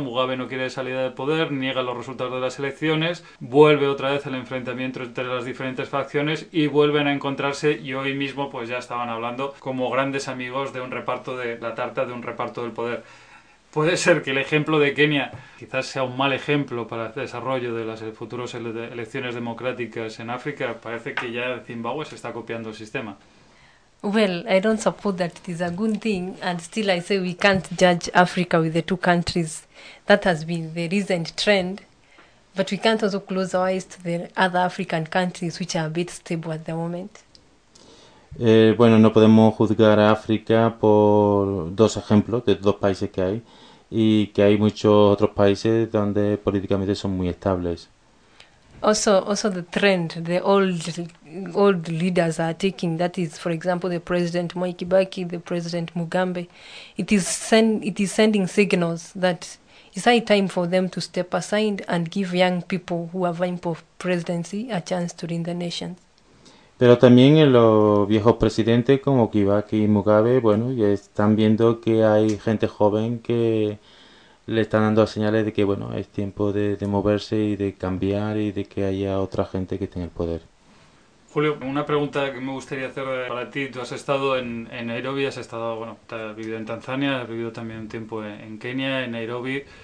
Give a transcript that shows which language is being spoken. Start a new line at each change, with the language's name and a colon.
Spanish: Mugabe no quiere salida del poder, niega los resultados de las elecciones, vuelve otra vez el enfrentamiento entre las diferentes facciones y vuelven a encontrarse, y hoy mismo pues ya estaban hablando como grandes amigos de un reparto de la tarta, de un reparto del poder. Puede ser que el ejemplo de Kenia quizás sea un mal ejemplo para el desarrollo de las futuras elecciones democráticas en África. Parece que ya Zimbabue se está copiando el sistema.
English: Well, I don't support that it is a good thing, and still I say we can't judge Africa with the two countries. That has been the recent trend, but we can't also close our eyes to the other African countries which are a bit stable at the moment.
Spanish: Bueno, no podemos juzgar a África por dos ejemplos de dos países que hay, y que hay muchos otros países donde políticamente son muy estables.
English: Also the trend the old leaders are taking, that is, for example, the President Mwai Kibaki, the President Mugabe, it is sending signals that it's high time for them to step aside and give young people who are vying for presidency a chance to lead the nation.
Spanish: Pero también en los viejos presidentes como Kibaki y Mugabe, bueno, ya están viendo que hay gente joven que le están dando señales de que, bueno, es tiempo de moverse y de cambiar y de que haya otra gente que tenga el poder. Julio, una pregunta que me gustaría hacer para ti. Tú has estado en Nairobi, has estado, bueno, has vivido en Tanzania, has vivido también un tiempo en Kenia, en Nairobi.